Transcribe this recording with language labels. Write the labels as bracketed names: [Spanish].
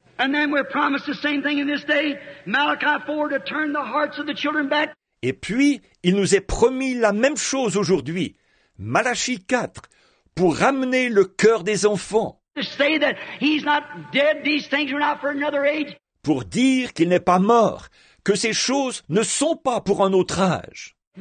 [English] And then we're promised the same thing in this day, Malachi 4, to turn the hearts of the children back. [French] Et puis, il nous est promis la même chose aujourd'hui, Malachie 4, pour ramener le cœur des enfants. [English] To say that he's not dead, these things are not for another age. [French] Pour dire qu'il n'est pas mort, que ces choses ne sont pas pour un autre âge.